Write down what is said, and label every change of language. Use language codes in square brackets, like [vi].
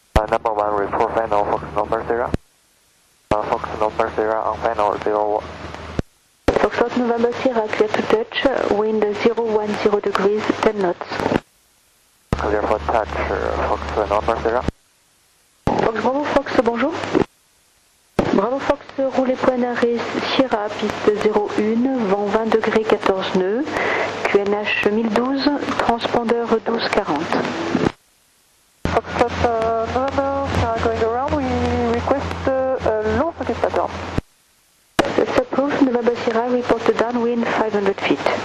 [en] Number 1, report final, Fox November Sierra. Fox November Sierra, on final, 01. Fox Trot November Sierra, clear to touch, wind 010 degrees, 10 knots. Clear for touch, Fox November Sierra. [fr] Fox Bravo, Fox, bonjour. Bravo Fox, roulez point d'arrêt Sierra, piste 01, vent 20 degrés 14 nœuds, QNH 1012, transpondeur 1240. [en] Fox Trot November Sierra going around, we request long satisfactor. It's approved, November Sierra report the downwind 500 feet.